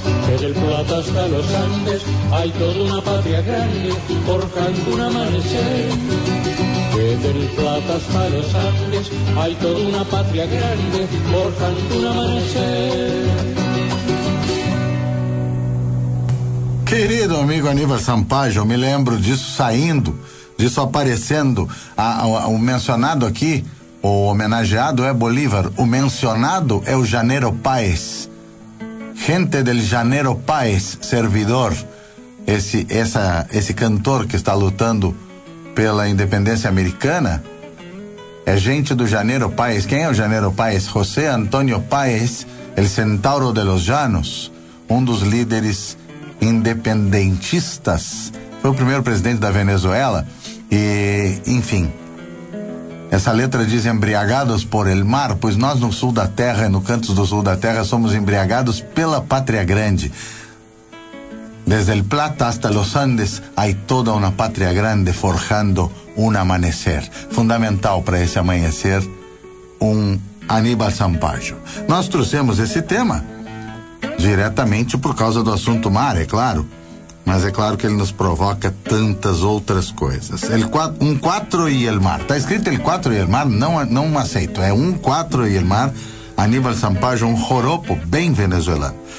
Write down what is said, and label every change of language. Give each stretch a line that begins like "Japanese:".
Spanish: Que del Plata hasta los Andes hay toda una patria grande, forjando un amanecer. Que del Plata hasta los Andes hay toda una patria grande, forjando un amanecer.
Portuguese: Querido amigo Aníbal Sampaio, eu me lembro disso saindo, disso aparecendo, o mencionado aqui, o homenageado é Bolívar, o mencionado é o Janeiro Páez,
Spanish: gente del Janeiro Páez,
Portuguese: servidor, esse cantor que está lutando pela independência americana, é gente do Janeiro Páez. Quem é o Janeiro Páez? José Antonio Páez,
Spanish: el centauro de los Llanos,
Portuguese: um dos líderes independentistas, foi o primeiro presidente da Venezuela. E enfim, essa letra diz
Spanish: embriagados por el mar,
Portuguese: pois nós no sul da terra e no canto do sul da terra somos embriagados pela pátria grande.
Spanish: Desde el Plata hasta los Andes hay toda una patria grande forjando un amanecer.
Portuguese: Fundamental para esse amanhecer, um Aníbal Sampaio. Nós trouxemos esse tema diretamente por causa do assunto mar, é claro, mas é claro que ele nos provoca tantas outras coisas. Um quatro e el mar, tá escrito el quatro e el mar, não aceito, é um quatro e el mar, Aníbal Sampaio, um joropo bem venezuelano.